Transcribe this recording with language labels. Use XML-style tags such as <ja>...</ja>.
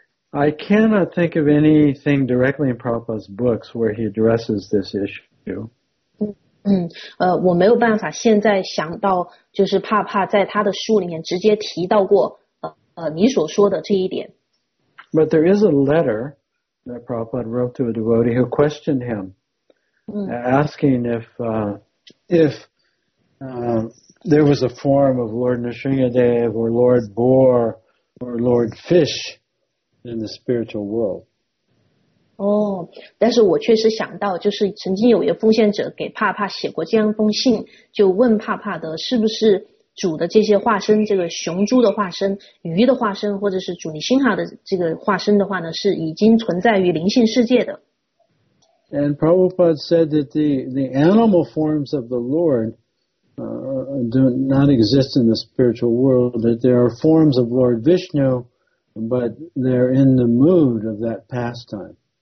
<en>I cannot think of anything directly in Prabhupada's books where he addresses this issue.</en> <zh>我没有办法现在想到就是帕帕在他的书里面直接提到过你所说的这一点。</zh> <en>But there is a letter that Prabhupada wrote to a devotee who questioned him, asking if there was a form of Lord Nrisimhadev or Lord Boar or Lord Fish in the spiritual world.</en> <zh>但是我确实想到就是曾经有一个奉献者给帕帕写过这样一封信，就问帕帕的是不是主的这些化身，这个雄猪的化身、鱼的化身，或者是主尼辛哈的这个化身的话呢，是已经存在于灵性世界的。</zh> <en>And Prabhupada said that the animal forms of the Lord do not exist in the spiritual world, that there are forms of Lord Vishnu, but they're in the mood of that pastime.</en>